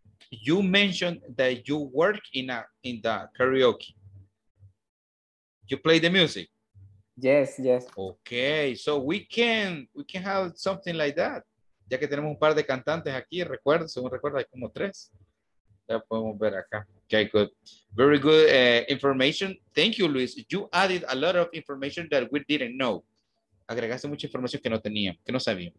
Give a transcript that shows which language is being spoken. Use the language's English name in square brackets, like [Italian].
[English] You mentioned that you work in the karaoke. You play the music. Yes, yes. Okay, so we can have something like that. [Spanish] Ya que tenemos un par de cantantes aquí, recuerdo, según recuerdo, hay como tres. Ya podemos ver acá. [English] Okay, good. Very good information. Thank you, Luis. You added a lot of information that we didn't know. [Spanish] Agregaste mucha información que no tenía, que no sabía.